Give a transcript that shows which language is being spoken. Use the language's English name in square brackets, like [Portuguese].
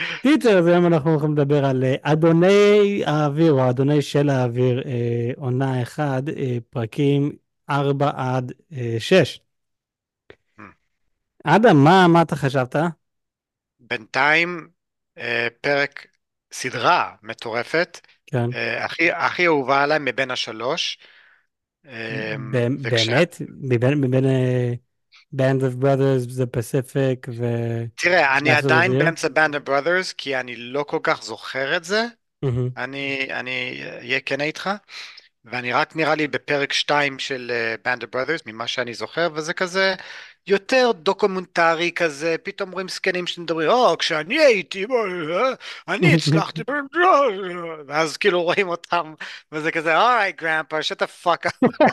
[Hebrew] טיצ'ר, אז היום אנחנו הולכים לדבר על אדוני האוויר, או אדוני של האוויר, עונה 1, פרקים 4 עד 6. אדם, מה אתה חשבת? בינתיים פרק סדרה מטורפת, כן. הכי אהובה עליי מבין השלוש. וכש... באמת? מבין Band of Brothers, The Pacific ו... תראה, אני [English] Last of the [Hebrew] עדיין [English] Year? [Hebrew] באמצע Band of Brothers, כי אני לא כל כך זוכר את זה. אני אהיה כן איתך. ואני רק נראה לי בפרק 2 של Band of Brothers, ממה שאני זוכר, וזה כזה יותר דוקומנטרי כזה, פתאום רואים זקנים שמדברים, כשאני הייתי, אני הצלחתי, ואז כאילו רואים אותם, וזה כזה, [English] All right, grandpa, shut the fuck up.